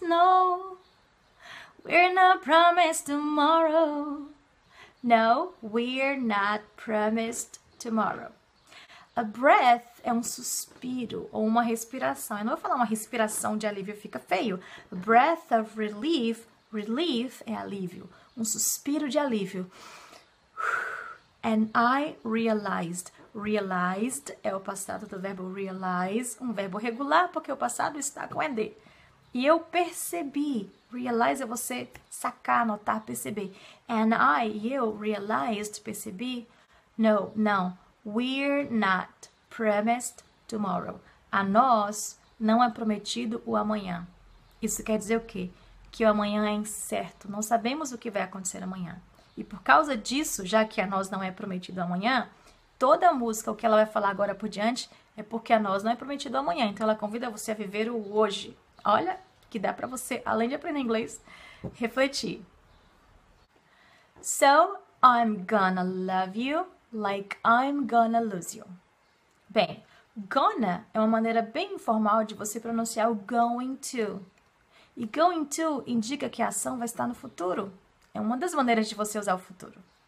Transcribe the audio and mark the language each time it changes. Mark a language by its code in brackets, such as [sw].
[en] No, we're not promised tomorrow. No, we're not promised tomorrow. A breath [pt] é um suspiro ou uma respiração. Eu não vou falar uma respiração de alívio, fica feio. [en] A breath of relief, [pt] relief é alívio, um suspiro de alívio. [en] And I realized. [pt] Realized é o passado do verbo realize, um verbo regular, porque o passado está com ED. E eu percebi. Realize é você sacar, notar, perceber. [en] And I, [pt] eu, realized, percebi. No, não. [en] We're not promised tomorrow. [pt] A nós não é prometido o amanhã. Isso quer dizer o quê? Que o amanhã é incerto. Não sabemos o que vai acontecer amanhã. E por causa disso, já que a nós não é prometido amanhã, toda a música, o que ela vai falar agora por diante, é porque a nós não é prometido amanhã. Então ela convida você a viver o hoje. Olha que dá para você, além de aprender inglês, refletir. [en] So I'm gonna love you like I'm gonna lose you. [pt] Bem, gonna é uma maneira bem informal de você pronunciar o going to. E going to indica que a ação vai estar no futuro. É uma das maneiras de você usar o futuro.